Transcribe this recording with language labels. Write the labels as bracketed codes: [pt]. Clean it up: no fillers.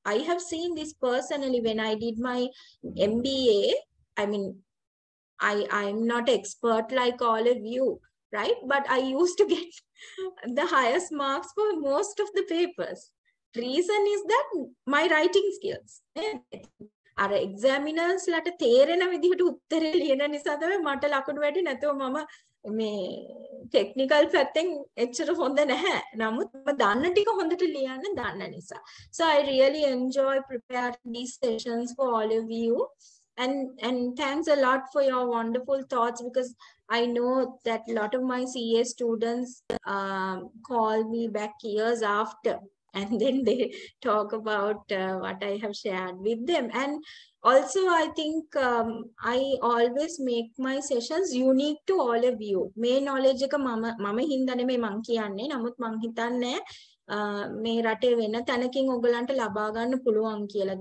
[en] I have seen this personally when I did my MBA. I mean, I'm not expert like all of you, right? But I used to get the highest marks for most of the papers. Reason is that my writing skills. [si] අර examiners ලට තේරෙන විදිහට උත්තරේ ලියන නිසා තමයි මට ලකුණු වැඩි නැතුව මම මේ technical පැත්තෙන් එච්චර හොඳ නැහැ. නමුත් මම දන්න ටික හොඳට ලියන්න දන්න නිසා. [en] So I really enjoy preparing these sessions for all of you. And thanks a lot for your wonderful thoughts, because I know that a lot of my CA students call me back years after and then they talk about what I have shared with them. And also, I think I always make my sessions unique to all of you. [si] May knowledge එක මම හින්දානේ මේ මං කියන්නේ. නමුත් මං හිතන්නේ මේ රටේ වෙන තැනකින් ඔයගලන්ට ලබා ගන්න පුළුවන් කියලා.